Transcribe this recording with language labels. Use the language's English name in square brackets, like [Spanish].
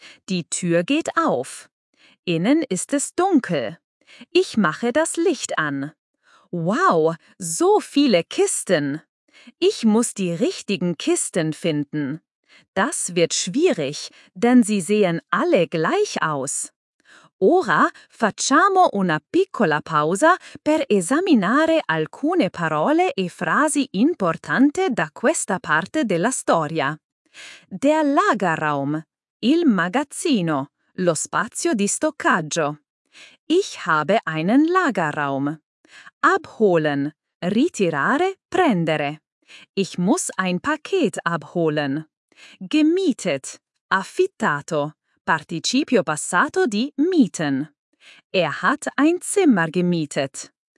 [German] Die Tür geht auf. Innen ist es dunkel. Ich mache das Licht an. Wow, so viele Kisten! Ich muss die richtigen Kisten finden. Das wird schwierig, denn sie sehen alle gleich aus. [Italian] Ora facciamo una piccola pausa per esaminare alcune parole e frasi importanti da questa parte della storia. [German] Der Lagerraum, [Italian] il magazzino, lo spazio di stoccaggio. [German] Ich habe einen Lagerraum. Abholen, [Italian] ritirare, prendere. [German] Ich muss ein Paket abholen. Gemietet, affittato. [Italian] Participio passato di [German] mieten. Er hat ein Zimmer gemietet.